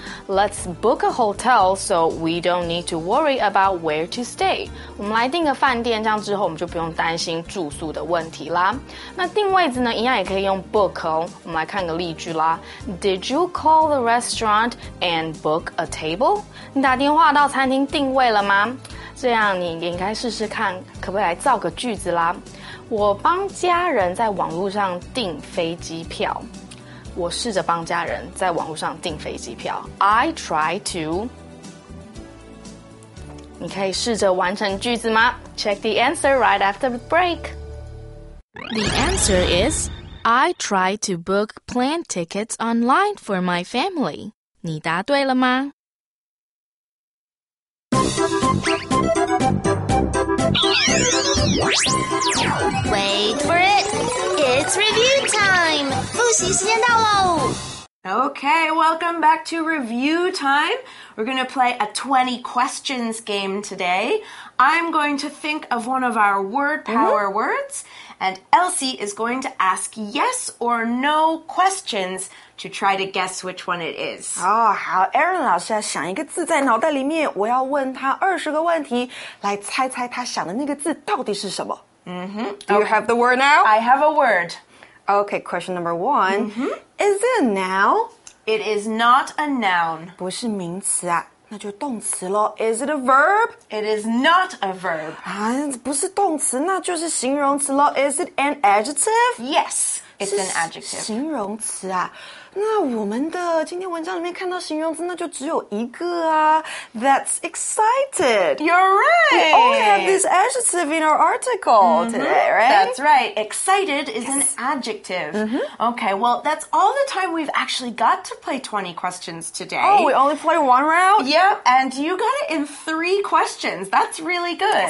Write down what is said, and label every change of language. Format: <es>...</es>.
<en>Let's book a hotel so we don't need to worry about where to stay.</en> <zh>我们来订个饭店，这样之后我们就不用担心住宿的问题啦。那订位子呢，一样也可以用 book 哦。我们来看个例句啦。</zh> <en>Did you call the restaurant and book a table?</en> <zh>你打电话到餐厅订位了吗？这样你也应该试试看可不可以来造个句子啦。我帮家人在网络上订飞机票。我试着帮家人在网络上订飞机票。</zh> <en>I try to.</en> <zh>你可以试着完成句子吗？</zh> <en>Check the answer right after the break. The answer is, I try to book plane tickets online for my family.</en> <zh>你答对了吗？</zh> <en>Wait for it! It's review time!</en> <zh>复习时间到喽！</zh> <en>Okay, welcome back to review time. We're going to play a 20 questions game today. I'm going to think of one of our word power words, and Elsie is going to ask yes or no questions to try to guess which one it is.</en> <zh>Oh, 好 ,Aaron 老师要想一个字在脑袋里面，我要问他20个问题，来猜猜他想的那个字到底是什么。 Mm-hmm.</zh> <en>Do you have the word now? I have a word. Okay, question number one. Is it a noun? It is not a noun.</en> <zh>不是名词啊，那就动词咯。</zh> <en>Is it a verb? It is not a verb.</en> <zh>啊，不是动词，那就是形容词咯。</zh> <en>Is it an adjective? Yes, it's an adjective.</en> <zh>形容词啊。那我们的今天文章里面看到形容词那就只有一个啊。</zh> <en>That's excited. You're right. We only have this adjective in our article today, right? That's right. Excited is an adjective. Okay, well, that's all the time we've actually got to play 20 questions today. Oh, we only play one round? Yep, and you got it in 3 questions. That's really good.</en>